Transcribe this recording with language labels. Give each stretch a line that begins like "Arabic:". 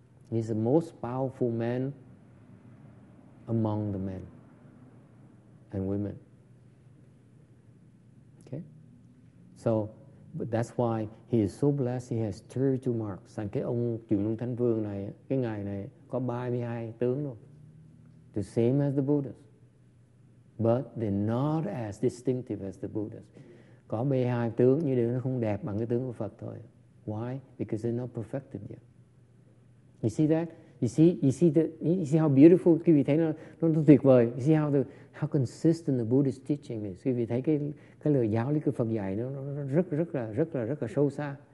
English: He's the most powerful man among the men and women. Okay? So, but that's why he is so blessed he has 32 marks.
Vietnamese: Sẵn cái ông Chuyển Luân Thánh Vương này, cái ngài này có 32 tướng luôn.
English: The same as the Buddhas. But they're not as distinctive as the Buddhas.
Vietnamese: Có 32 tướng nhưng điều nó không đẹp bằng cái tướng của Phật thôi.
English: Why? Because they're not perfected yet. You see that? You see how beautiful it can be taken? Don't think about it. You see how consistent the Buddhist teaching is. If you take
Vietnamese: cái lời giáo lý của Phật dạy nó rất là sâu xa.